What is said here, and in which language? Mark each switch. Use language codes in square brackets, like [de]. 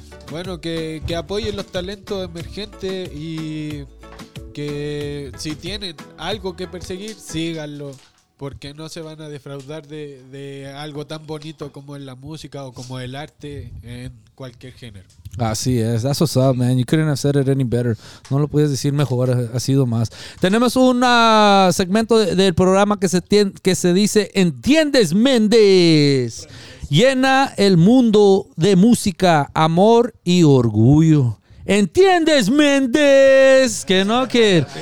[es] Bueno, que apoyen los talentos emergentes y que si tienen algo que perseguir, síganlo, porque no se van a defraudar de algo tan bonito como es la música o como el arte en cualquier género. Así es. [en] That's what's up, man. You couldn't have said it any better. [es] No lo puedes decir mejor. Ha sido más. Tenemos un segmento del programa que se dice ¿Entiendes, Méndez? Llena el mundo de música, amor y orgullo. ¿Entiendes, Méndez? Que no, kid.